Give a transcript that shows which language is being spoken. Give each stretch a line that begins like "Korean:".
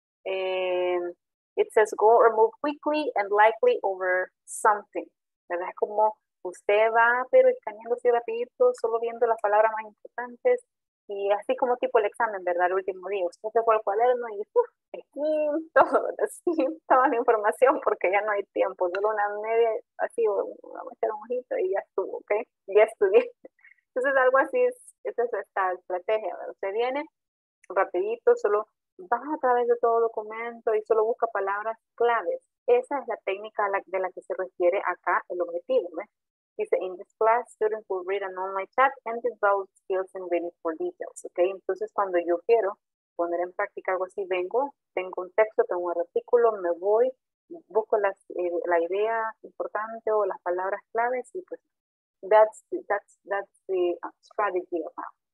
English: And it says go or move quickly and likely over something.
Spanish: ¿Verdad? Como usted va, pero escaneándose rapidito, solo viendo las palabras más importantes. Y así como tipo el examen, ¿verdad? El último día. Usted se fue al cuaderno y toda la información porque ya no hay tiempo. Solo una media, así, vamos a echar un ojito y ya estuvo, ¿ok? Ya estudié. Entonces algo así es Esa es esta estrategia, ¿verdad? Usted viene rapidito, solo va a través de todo documento y solo busca palabras claves. Esa es la técnica de la que se refiere acá el objetivo, ¿ves?
English: Dice, in this class, students will read an online chat and develop skills in reading for details, ¿ok?
Spanish: Entonces, cuando yo quiero poner en práctica algo así, vengo, tengo un texto, tengo un artículo, me voy, busco la idea importante o las palabras claves y pues,
English: that's the strategy of how.